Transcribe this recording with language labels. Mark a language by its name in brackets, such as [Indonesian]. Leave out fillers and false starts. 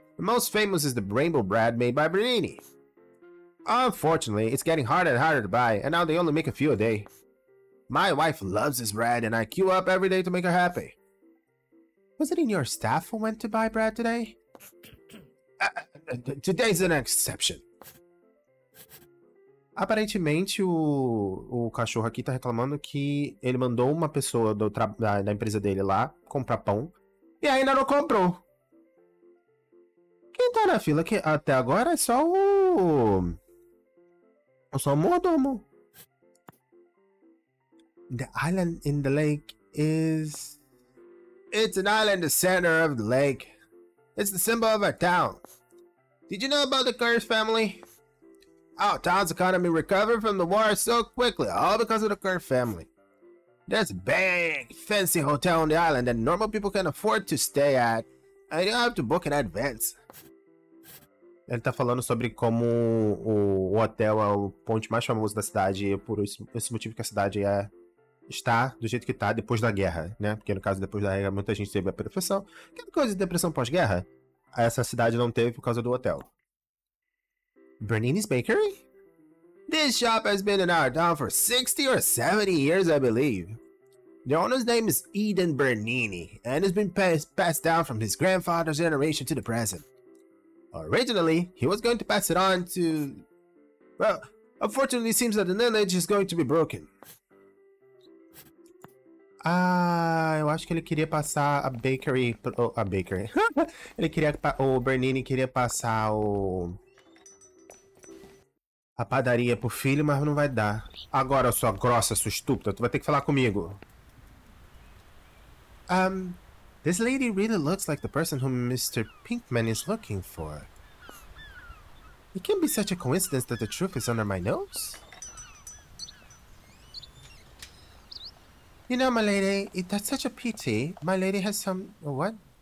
[English] The most famous is the rainbow bread made by Bernini. Unfortunately, it's getting harder and harder to buy, and now they only make a few a day. My wife loves this bread, and I queue up every day to make her happy. Was it in your staff who went to buy bread today? Today's an exception. [Portuguese] Aparentemente, o cachorro aqui tá reclamando que ele mandou uma pessoa da empresa dele lá comprar pão e ainda não comprou. Quem tá na fila que até agora é só o mordomo. [English] The island in the lake is... It's an island in the center of the lake. It's the symbol of our town. Did you know about the Kurt family? Our town's economy recovered from the war so quickly, all because of the Kurt family. There's a big, fancy hotel on the island that normal people can afford to stay at, and you have to book in advance. [Portuguese] Ele tá falando sobre como o hotel é o ponto mais famoso da cidade, e por esse motivo que a cidade está do jeito que está depois da guerra, né? Porque no caso, depois da guerra, muita gente teve a depressão. Que coisa de depressão pós-guerra? Essa cidade não teve por causa do hotel. [English] Bernini's Bakery? This shop has been in our town for 60 or 70 years, I believe. The owner's name is Eden Bernini, and has been passed down from his grandfather's generation to the present. Originally, he was going to pass it on to... Well, unfortunately, it seems that the lineage is going to be broken. [Portuguese] Eu acho que ele queria passar a bakery pro... A bakery. Ele queria... O Bernini queria passar o... A padaria pro filho, mas não vai dar. Agora, sua grossa, sua estúpida, tu vai ter que falar comigo. [English] This lady really looks like the person whom Mr. Pinkman is looking for. It can't be such a coincidence that the truth is under my nose. You know, my lady, that's such a pity. My lady has some... What?